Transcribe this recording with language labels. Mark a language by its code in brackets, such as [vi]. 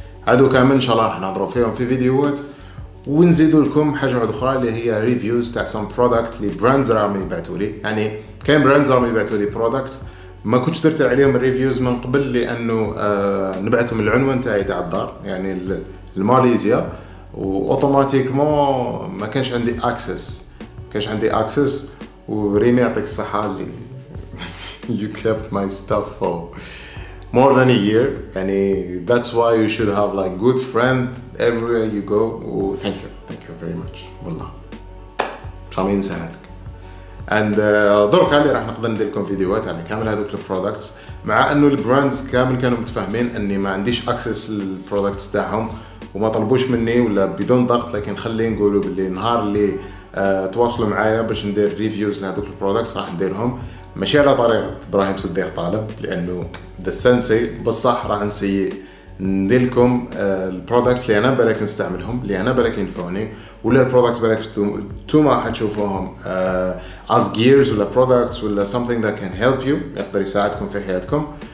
[ar] هذو كامل ان شاء الله نهضروا فيهم في فيديوهات، ونزيدوا لكم حاجه واحده اخرى اللي هي ريفيوز تاع سام برودكت لي براندز راهم يبعثوا لي. يعني كاين براندز راهم يبعثوا لي برودكت ما كنتش درت عليهم الريفيوز من قبل، لانه نبعثهم العنوان تاعي تاع الدار يعني لماليزيا، واوتوماتيكمون ما كانش عندي اكسس، كانش عندي اكسس. وريمي يعطيك الصحة اللي [en] you kept my stuff for more than a year. [ar] يعني [en] that's why you should have like good friend everywhere you go. Thank you, thank you very much. [ar] والله شامي نسهلك. [en] And [ar] دورك اللي راح نقدر ندير لكم فيديوهات على كامل هذوك البرودكتس، مع انه البراندز كامل كانوا متفاهمين اني ما عنديش اكسس للبرودكتس تاعهم وما طلبوش مني ولا بدون ضغط، لكن خلينا نقولوا باللي نهار اللي تواصلوا معايا باش ندير ريفيوز لهذوك البرودكتس راح نديرهم، ماشي على طريقه ابراهيم صديق طالب لانه ذا سنسي، بصح راح نسيي ندير لكم البرودكتس اللي انا بالك نستعملهم اللي انا بالك ينفعوني، ولا البرودكتس بالك توما حتشوفوهم از جيرز ولا برودكتس ولا [en] something that can help you [ar] يقدر يساعدكم في حياتكم.